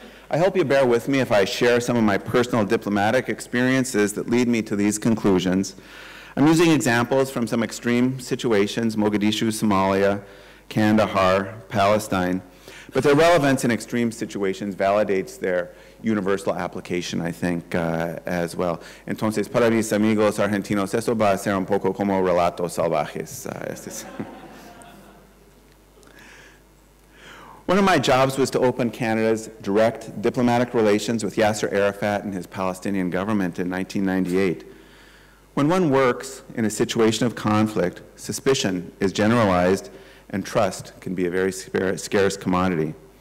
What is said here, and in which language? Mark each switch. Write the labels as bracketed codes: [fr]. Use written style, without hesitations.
[en] I hope you bear with me if I share some of my personal diplomatic experiences that lead me to these conclusions. I'm using examples from some extreme situations, Mogadishu, Somalia, Kandahar, Palestine, but their relevance in extreme situations validates their universal application, I think, as well. [es] Entonces, para mis amigos argentinos, eso va a ser un poco como relatos salvajes. [en] One of my jobs was to open Canada's direct diplomatic relations with Yasser Arafat and his Palestinian government in 1998. When one works in a situation of conflict, suspicion is generalized and trust can be a very scarce commodity.